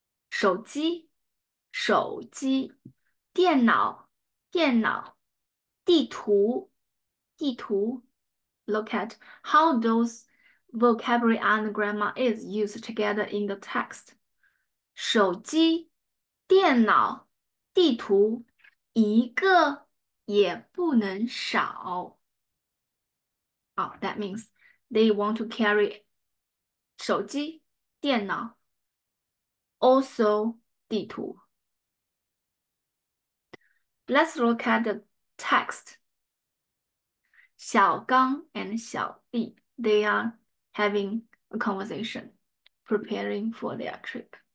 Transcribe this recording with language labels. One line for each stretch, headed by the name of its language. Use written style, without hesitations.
Chinese: 手机, 电脑, 电脑, 地图, 地图.
English: Look at how those vocabulary and grammar is used together in the text.
Chinese: 手机, 电脑, 地图, 一个也不能少.
English: Oh, that means they want to carry
Chinese: 手机, 电脑,
English: also
Chinese: 地图.
English: Let's look at the text. 小刚 and 小弟, they are having a conversation, preparing for their trip.